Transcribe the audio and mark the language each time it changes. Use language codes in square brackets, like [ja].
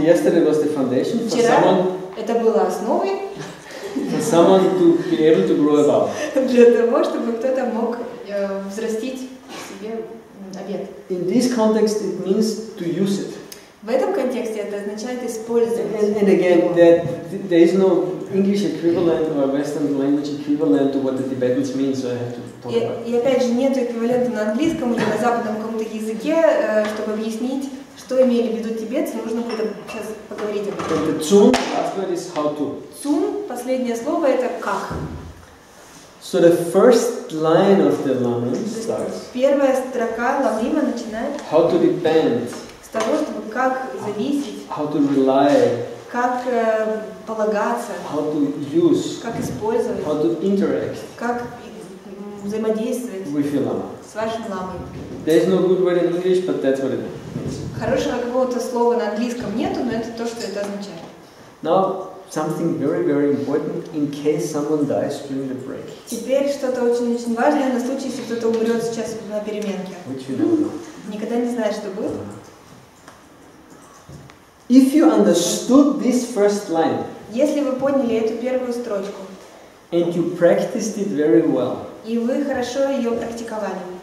[en] Yesterday was the foundation. [ru] Вчера [en] for someone. [ru] Это было основой. [en] For someone to be able to grow above. [ru] Для того, чтобы кто-то мог взрастить в себе обет. [en] In this context, it means to use it. [ru] В этом контексте это означает использовать. [en] And again, that there is no English equivalent or Western language equivalent to what the Tibetans mean, so I have to talk about. [ru] И опять же нет эквивалента на английском или на западном каком-то языке, чтобы объяснить, что имели в виду тибетцы. Нужно будет сейчас поговорить об этом. [en] The tsun, last word is how to. [ru] Цун, последнее слово, это как. [en] So the first line of the Ламрим starts. [ru] Первая строка Ламрима начинает. [en] How to depend. [ru] С того, чтобы как зависеть. [en] How to rely. [ru] Как полагаться. [en] How to use. [ru] Как использовать. [en] How to interact. [ru] Как взаимодействовать. [en] With your lama. [ru] С вашим ламой. [en] There is no good word in English, but that's what it means. [ru] Хорошего какого-то слова на английском нету, но это то, что это означает. [en] Now, something very, very important in case someone dies during the break. [ru] Теперь что-то очень-очень важное на случай, если кто-то умрет сейчас на переменке. [en] Which you don't know. [ru] Никогда не знаешь, что будет. [en] If you understood this first line. [ru] Если вы поняли эту первую строчку. [en] And you practiced it very well. [ru] И вы хорошо ее практиковали.